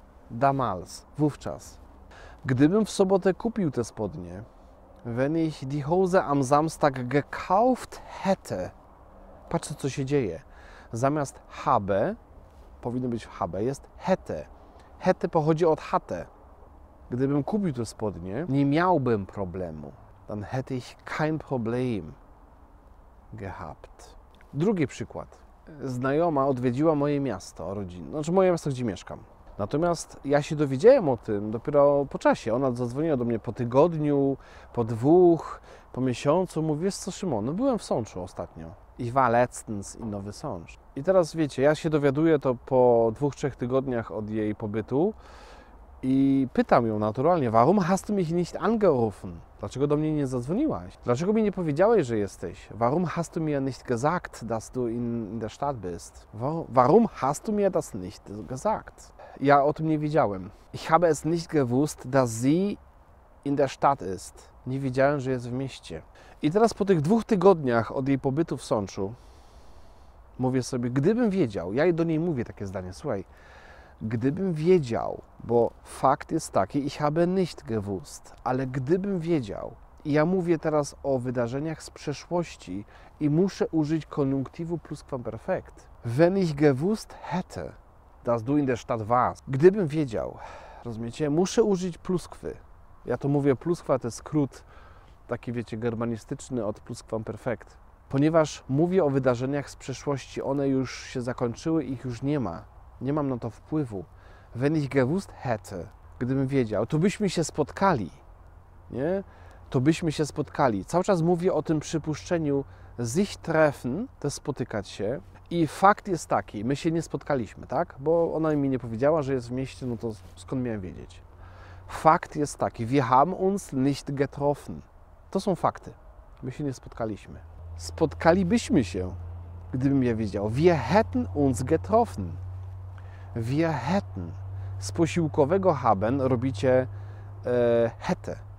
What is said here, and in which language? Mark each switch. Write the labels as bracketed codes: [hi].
[de] Damals, [pl] wówczas. Gdybym w sobotę kupił te spodnie, [de] wenn ich die Hose am Samstag gekauft hätte. [pl] Patrzcie, co się dzieje. Zamiast habe, powinno być habe, jest hätte. Hätte pochodzi od hatte. Gdybym kupił te spodnie, nie miałbym problemu. [de] Dann hätte ich kein Problem gehabt. [pl] Drugi przykład. Znajoma odwiedziła moje miasto rodzinne, znaczy moje miasto, gdzie mieszkam. Natomiast ja się dowiedziałem o tym dopiero po czasie. Ona zadzwoniła do mnie po tygodniu, po dwóch, po miesiącu. Mówi, wiesz co, Szymon, no byłem w Sączu ostatnio. [de] Ich war letztens in Nowy Sącz. [pl] I teraz wiecie, ja się dowiaduję to po dwóch, trzech tygodniach od jej pobytu. I pytam ją naturalnie, [de] warum hast du mich nicht angerufen? [pl] Dlaczego do mnie nie zadzwoniłaś? Dlaczego mi nie powiedziałeś, że jesteś? [de] Warum hast du mir nicht gesagt, dass du in der Stadt bist? Warum hast du mir das nicht gesagt? [pl] Ja o tym nie wiedziałem. [de] Ich habe es nicht gewusst, dass sie in der Stadt ist. [pl] Nie wiedziałem, że jest w mieście. I teraz po tych dwóch tygodniach od jej pobytu w Sączu mówię sobie, gdybym wiedział, ja do niej mówię takie zdanie, słuchaj, gdybym wiedział, bo fakt jest taki, [de] ich habe nicht gewusst, [pl] ale gdybym wiedział, i ja mówię teraz o wydarzeniach z przeszłości i muszę użyć koniunktywu pluskwamperfekt, [de] wenn ich gewusst hätte, Das du in der Stadt warst. [pl] Gdybym wiedział, rozumiecie, muszę użyć pluskwy. Ja to mówię, pluskwa to jest skrót taki, wiecie, germanistyczny od pluskwamperfekt. Ponieważ mówię o wydarzeniach z przeszłości, one już się zakończyły, ich już nie ma. Nie mam na to wpływu. [de] Wenn ich gewusst hätte, [pl] gdybym wiedział, to byśmy się spotkali. Nie? To byśmy się spotkali. Cały czas mówię o tym przypuszczeniu sich treffen, to spotykać się. I fakt jest taki, my się nie spotkaliśmy, tak? Bo ona mi nie powiedziała, że jest w mieście, no to skąd miałem wiedzieć? Fakt jest taki, [de] wir haben uns nicht getroffen. [pl] To są fakty. My się nie spotkaliśmy. Spotkalibyśmy się, gdybym ja wiedział. [de] Wir hätten uns getroffen. Wir hätten. [pl] Z posiłkowego haben robicie hätte.